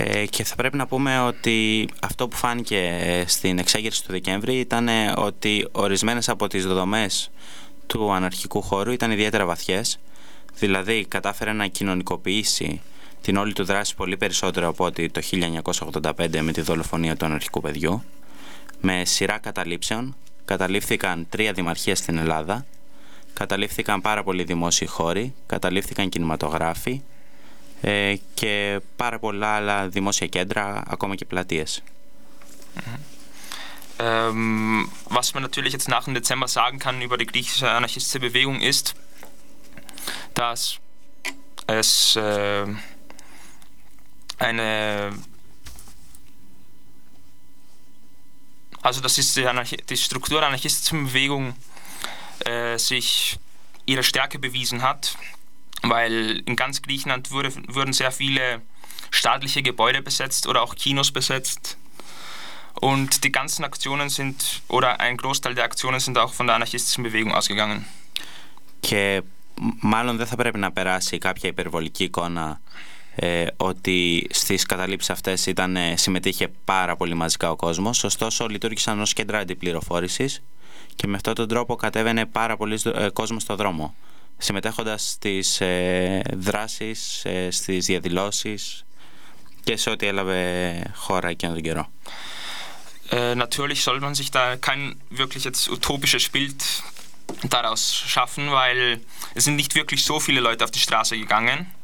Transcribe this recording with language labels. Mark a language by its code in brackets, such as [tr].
[el] Και θα πρέπει να πούμε ότι αυτό που φάνηκε στην εξέγερση του Δεκέμβρη ήταν ότι ορισμένες από τις δομές του αναρχικού χώρου ήταν ιδιαίτερα βαθιές, δηλαδή κατάφερε να κοινωνικοποιήσει την όλη του δράση πολύ περισσότερο από ότι το 1985 με τη δολοφονία του αναρχικού παιδιού. Με σειρά καταλήψεων καταλήφθηκαν 3 δημαρχίες στην Ελλάδα, καταλήφθηκαν πάρα πολλοί δημόσιοι χώροι, καταλήφθηκαν κινηματογράφοι και πάρα πολλά άλλα δημόσια κέντρα, ακόμα και πλατείες. [de] Was man natürlich jetzt nach dem Dezember sagen kann über die griechische anarchistische Bewegung ist, dass es eine, also das ist die Struktur der anarchistischen Bewegung sich ihre Stärke bewiesen hat, weil in ganz Griechenland wurden sehr viele staatliche Gebäude besetzt oder auch Kinos besetzt und die ganzen Aktionen sind oder ein Großteil der Aktionen sind auch von der anarchistischen Bewegung ausgegangen. Okay. [el] μάλλον δεν θα πρέπει να περάσει κάποια υπερβολική εικόνα ότι στις καταλήψεις αυτές συμμετείχε πάρα πολύ μαζικά ο κόσμος. Ωστόσο, λειτουργήσαν ως κέντρα αντιπληροφόρησης και με αυτόν τον τρόπο κατέβαινε πάρα πολύ κόσμο στο δρόμο, συμμετέχοντας στις δράσεις, στις διαδηλώσεις και σε ό,τι έλαβε χώρα εκείνον τον καιρό. [de] Natürlich soll man sich da kein wirklich jetzt utopisches Bild daraus schaffen, weil es sind nicht wirklich so viele Leute auf die Straße gegangen.